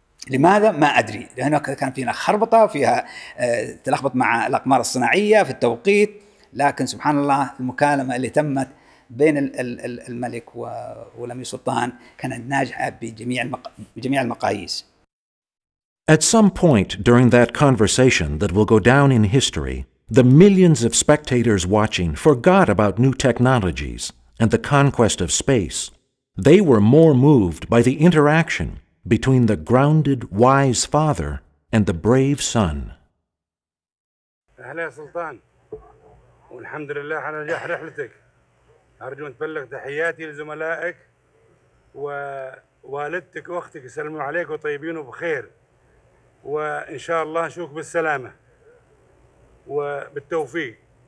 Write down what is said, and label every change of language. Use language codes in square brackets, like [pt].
[ar] لماذا؟ ما أدري، لأنه كان فينا خربطة، فيها تلخبط مع الأقمار الصناعية في التوقيت، لكن سبحان الله المكالمة اللي تمت بين الملك والأمير سلطان كانت ناجحة بجميع المقاييس. [en] At some point during that conversation that will go down in history, the millions of spectators watching forgot about new technologies and the conquest of space. They were more moved by the interaction between the grounded, wise father and the brave son. [ar] أهلا يا سلطان، والحمد لله على نجاح رحلتك. أرجو أن تبلغ تحياتي لزملائك ووالدتك وأختك، يسلموا عليك وطيبين وبخير، وإن شاء الله نشوفك بالسلامة وبالتوفيق.